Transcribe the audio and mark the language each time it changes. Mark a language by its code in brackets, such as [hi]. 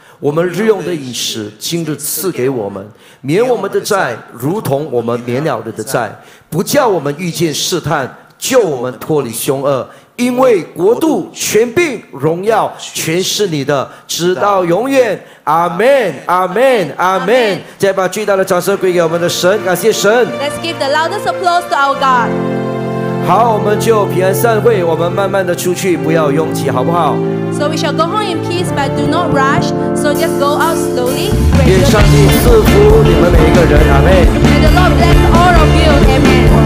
[zh] 我们日用的饮食，今日赐给我们。免我们的债，如同我们免了人的债。不叫我们遇见试探，救我们脱离凶恶。因为国度权柄荣耀全是你的直到永远阿们阿们阿们再把巨大的掌声归给我们的神感谢神 [en] Let's give the loudest applause to our God [zh] 好我们就平安散会我们慢慢的出去不要拥挤好不好 [en] So we shall go home in peace but do not rush So just go out slowly [zh] 愿上帝赐福你们每一个人阿们 [en] May the Lord bless all of you Amen